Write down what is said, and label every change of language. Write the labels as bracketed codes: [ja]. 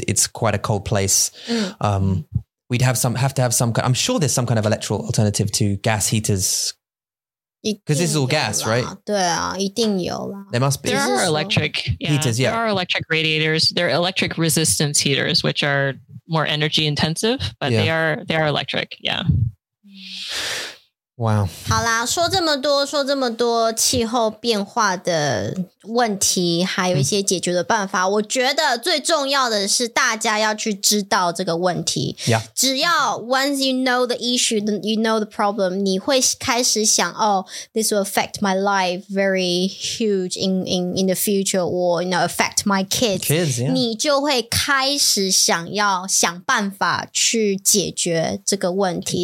[en] It's quite a cold place. Mm. We'd have to have some, I'm sure there's some kind of electrical alternative to gas heaters. Because this is all gas, right? [zh] 对啊,一定有啦. [en] There must be. There are electric heaters. Yeah. There are electric radiators. There are electric resistance heaters, which are more energy intensive, but they are electric. Yeah. Wow. [zh] 好啦,说这么多气候变化的问题，还有一些解决的办法。我觉得最重要的是大家要去知道这个问题。只要 [en] once you know the issue, you know the problem, [zh] 你会开始想， [en] oh, this will affect my life very huge in the future, or you know, affect my kids. Kids, yeah. [zh] 你就会开始想要想办法去解决这个问题。